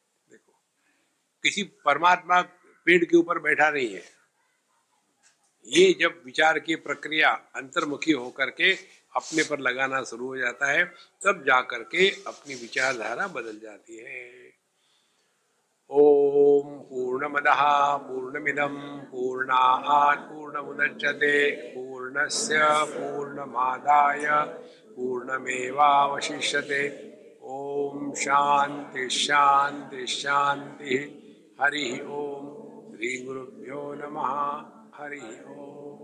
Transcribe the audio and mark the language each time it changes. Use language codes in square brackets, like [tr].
[hi] देखो किसी परमात्मा पेड़ के ऊपर बैठा नहीं है, ये जब विचार की प्रक्रिया अंतर्मुखी होकर के अपने पर लगाना शुरू हो जाता है तब जाकर के अपनी विचारधारा बदल जाती है। [sa] ओम पूर्णमदः पूर्णमिदं पूर्णात् पूर्णमुदच्यते पूर्णस्य पूर्णमादाय पूर्णमेवावशिष्यते। ओम शांति शांति शांति। हरि ओम। श्री गुरुभ्यो नमः। हरि ओम।